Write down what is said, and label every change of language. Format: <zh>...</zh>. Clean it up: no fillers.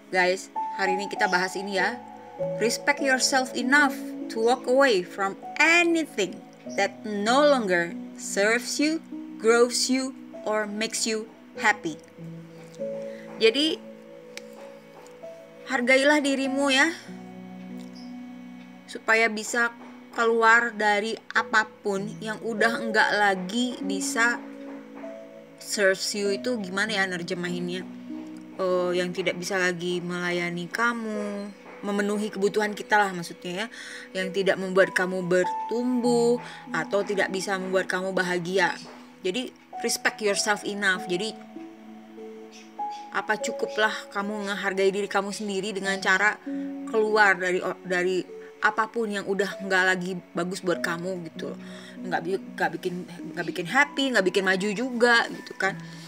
<id>Guys, hari ini kita bahas ini ya.</id> <en>Respect yourself enough to walk away from anything that no longer serves you, grows you, or makes you happy.</en> <id>Jadi, hargailah dirimu ya, supaya bisa keluar dari apapun yang udah enggak lagi bisa serves you. Itu gimana ya nerjemahinnya, yang tidak bisa lagi melayani kamu, memenuhi kebutuhan kita lah maksudnya ya, yang tidak membuat kamu bertumbuh atau tidak bisa membuat kamu bahagia.</id> <en>Jadi respect yourself enough.</en> <id>Jadi apa, cukuplah kamu menghargai diri kamu sendiri dengan cara keluar dari apapun yang udah nggak lagi bagus buat kamu gitu, nggak bikin happy, nggak bikin maju juga gitu kan.</id>